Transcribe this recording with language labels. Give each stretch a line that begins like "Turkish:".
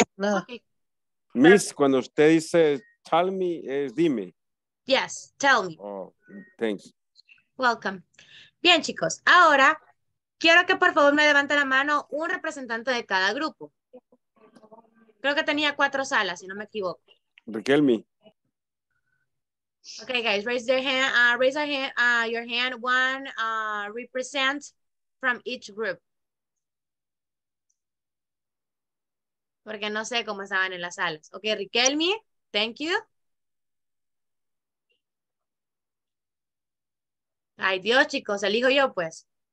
Spanish: nada. Okay. Miss, perfect. Cuando usted dice tell me, es dime.
English: Yes, tell me. Oh, thanks. Welcome.
Spanish: Bien, chicos, ahora quiero que por favor me levante la mano un representante de cada grupo. Creo que tenía 4 salas, si no me equivoco. Riquelme.
English: Okay, guys, raise their hand, raise a hand, your hand, one represent from each group.
Spanish: Porque no sé cómo estaban en las salas.
English: Ok, Riquelme, thank you.
Spanish: Ay, Dios, chicos, elijo yo, pues.